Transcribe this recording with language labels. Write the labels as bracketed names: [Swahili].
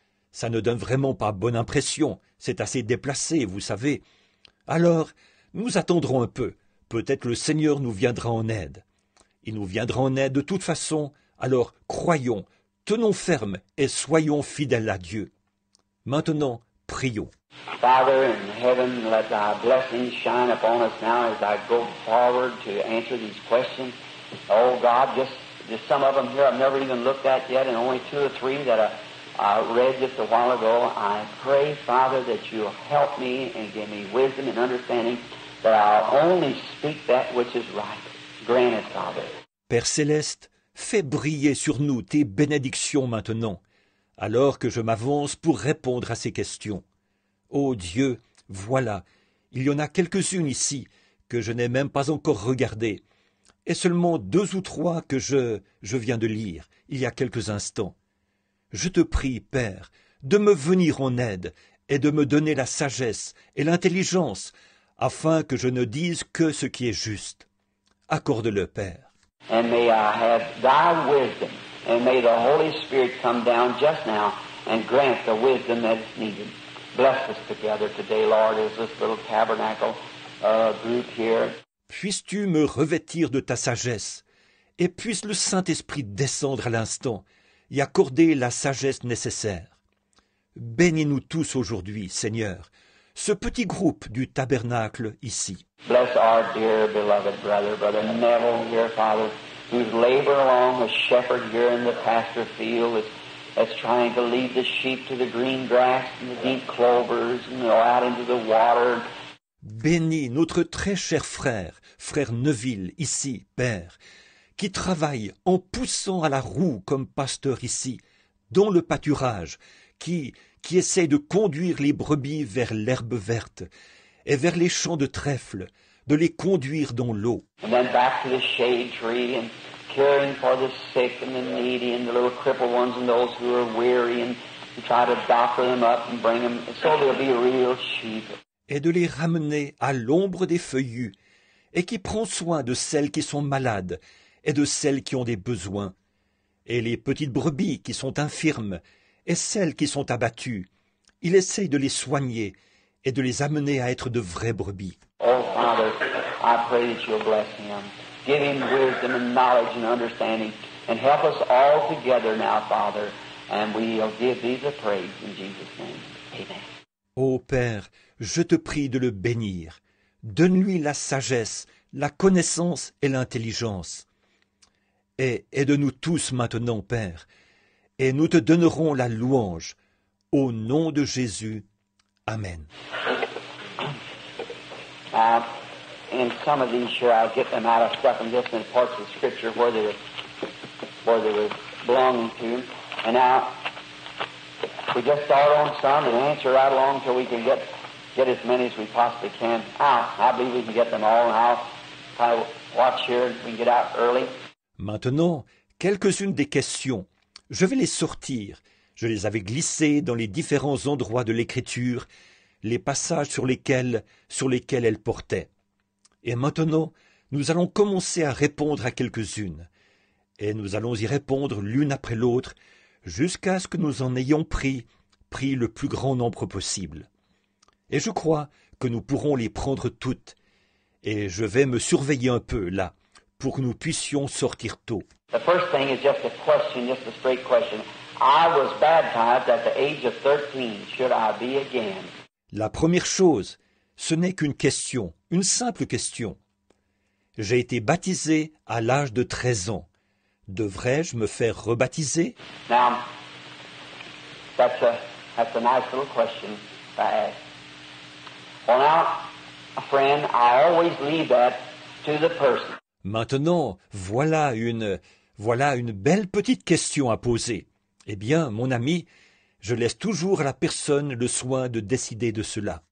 [French] ça ne donne vraiment pas bonne impression, c'est assez déplacé, vous savez. Alors, nous attendrons un peu, peut-être le Seigneur nous viendra en aide. Il nous viendra en aide de toute façon, alors croyons, tenons ferme et soyons fidèles à Dieu. Maintenant, prions. [English] Father in heaven, let thy blessings shine upon us now as I go forward to answer these questions. Oh God, just some of them here I've never even looked at yet, and only two or three that I read just a while ago. I pray, Father, that you'll help me and give me wisdom and understanding that I'll only speak that which is right. Grant it, Father. [French] Père Céleste, fais briller sur nous tes bénédictions maintenant, alors que je m'avance pour répondre à ces questions. Ô Dieu, voilà, il y en a quelques-unes ici que je n'ai même pas encore regardées, et seulement deux ou trois que je viens de lire il y a quelques instants. Je te prie, Père, de me venir en aide et de me donner la sagesse et l'intelligence afin que je ne dise que ce qui est juste. Accorde-le, Père. [English] And may I have thy wisdom, and may the Holy Spirit come down just now and grant the wisdom that is needed. Bless us together today, Lord, as this little tabernacle group here. [French] Puisses-tu me revêtir de ta sagesse, et puisse le Saint-Esprit descendre à l'instant et accorder la sagesse nécessaire. Bénis-nous tous aujourd'hui, Seigneur, ce petit groupe du tabernacle ici. [English] Bless our dear beloved brother, Brother Neville, your father, who's labored along a shepherd here in the pasture field, that's trying to lead the sheep to the green grass and the deep clovers and out into the water. [French] Bénis notre très cher frère, frère Neville, ici, Père, qui travaille en poussant à la roue comme pasteur ici, dans le pâturage, qui essaie de conduire les brebis vers l'herbe verte et vers les champs de trèfle, de les conduire dans l'eau. [English] And then back to the shade tree and caring for the sick and the needy and the little crippled ones and those who are weary and try to doctor them up and bring them so they'll be real sheep. [French] Et de les ramener à l'ombre des feuillus et qui prend soin de celles qui sont malades et de celles qui ont des besoins, et les petites brebis qui sont infirmes, et celles qui sont abattues. Il essaye de les soigner et de les amener à être de vraies brebis. [English] Oh, Father, I pray that you'll bless him. Give him wisdom and knowledge and understanding, and help us all together now, Father, and we'll give thee the praise in Jesus' name. Amen. [French] Oh, Père, je te prie de le bénir. Donne-lui la sagesse, la connaissance et l'intelligence. Et aide-nous tous maintenant, Père, et nous te donnerons la louange. Au nom de Jésus. Amen. [English] In some of these here, I'll get them out of stuff and just in parts of Scripture where they were belonging to. And now, we just start on some and answer right along until we can get as many as we possibly can. I believe we can get them all, and I'll try to watch here and we can get out early. [French] Maintenant, quelques-unes des questions. Je vais les sortir. Je les avais glissées dans les différents endroits de l'Écriture, les passages sur lesquels elles portaient. Et maintenant, nous allons commencer à répondre à quelques-unes. Et nous allons y répondre l'une après l'autre, jusqu'à ce que nous en ayons pris le plus grand nombre possible. Et je crois que nous pourrons les prendre toutes. Et je vais me surveiller un peu, là, pour que nous puissions sortir tôt. [English] The first thing is just a question, just a straight question. I was baptized at the age of 13. Should I be again? [French] La première chose, ce n'est qu'une question, une simple question. J'ai été baptisé à l'âge de 13 ans. Devrais-je me faire rebaptiser? [English] Now, that's a nice little question to ask. Well, now, friend, I always leave that to the person. [French] Maintenant, voilà une belle petite question à poser. Eh bien, mon ami, Je laisse toujours à la personne le soin de décider de cela.